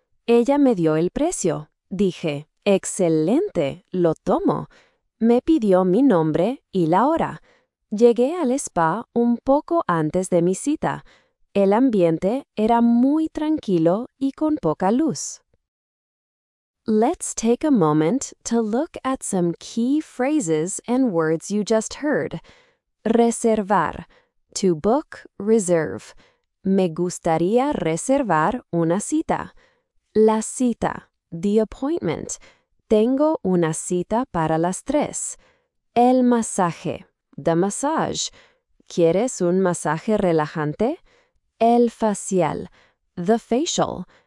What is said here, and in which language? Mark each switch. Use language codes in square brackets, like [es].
[es] Ella me dio el precio. Dije, «¡Excelente! ¡Lo tomo!». Me pidió mi nombre y la hora. Llegué al spa un poco antes de mi cita. El ambiente era muy tranquilo y con poca luz. [en] Let's take a moment to look at some key phrases and words you just heard. [es] Reservar, [en] to book, reserve. [es] Me gustaría reservar una cita. La cita, [en] the appointment. [es] Tengo una cita para las 3. El masaje, [en] the massage. [es] ¿Quieres un masaje relajante? El facial, [en] the facial.